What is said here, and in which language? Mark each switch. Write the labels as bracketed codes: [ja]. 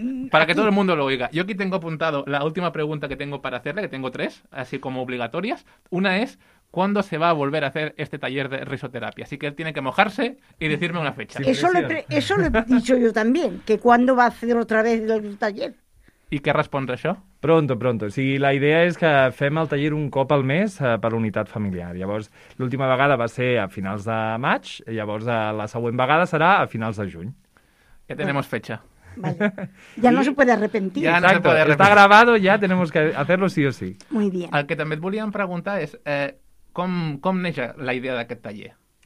[es] Para que todo el mundo lo oiga. Yo aquí tengo apuntado la última pregunta que tengo para hacerle, que tengo tres, así como obligatorias. Una es, ¿cuándo se va a volver a hacer este taller de risoterapia? Así que él tiene que mojarse y decirme una fecha. Eso lo he dicho yo también, que ¿cuándo va a hacer otra vez el taller? [ca] I què respondre això? [es] Pronto, pronto. [ca] O sigui, la idea és que fem el taller un cop al mes per unitat familiar. Llavors, l'última vegada va ser a finals de maig, i llavors la següent vegada serà a finals de juny. [es] Ja tenemos fecha. Vale. Ya no se puede arrepentir. Ya no se puede arrepentir. Está grabado, ya tenemos que hacerlo sí o sí. Muy bien. [ca] El que també et volíem preguntar és com neix la idea d'aquest taller?